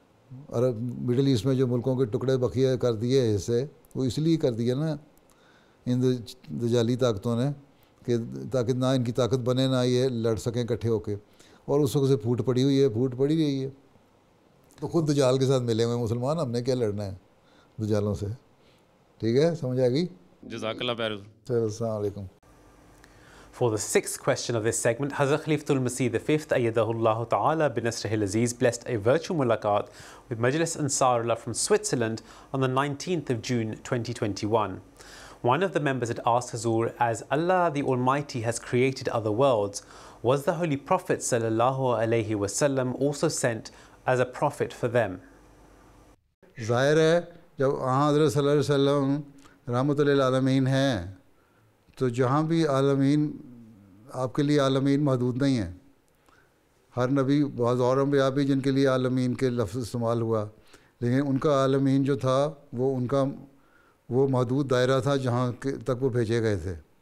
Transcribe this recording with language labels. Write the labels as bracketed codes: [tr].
[ur] اور middle asset میں جو ملکوں کے ٹکڑے بقیہ کر دیے حصے, وہ اس لیے کر دیے نا ان دجالی طاقتوں نے کہ تاکہ نہ ان کی طاقت بنے نہ یہ لڑ سکیں اکٹھے ہو کے, اور اس وقت سے پھوٹ پڑی رہی ہے. تو خود دجال کے ساتھ ملے ہوئے مسلمان, ہم نے کیا لڑنا ہے دجالوں سے. ٹھیک ہے, سمجھ آ گئی. جزاک اللہ خیر. السلام علیکم. [en] For the sixth question of this segment, Hazrat Khalifatul-Masih V, ayyadahullahu ta'ala binasrihi al-aziz, blessed a virtual mulaqat with Majlis Ansarullah from Switzerland on the 19th of June 2021. One of the members had asked Hazur, as Allah the Almighty has created other worlds, was the Holy Prophet sallallahu alayhi wa sallam also sent as a prophet for them? [ur] ظاہر ہے جب حضرت صلی اللہ علیہ وسلم رحمت للعالمین ہیں تو جہاں بھی عالمین, آپ کے لیے عالمین محدود نہیں ہیں. ہر نبی, بعض اور انبیاء بھی جن کے لیے عالمین کے لفظ استعمال ہوا, لیکن ان کا عالمین جو تھا وہ ان کا وہ محدود دائرہ تھا جہاں تک وہ بھیجے گئے تھے.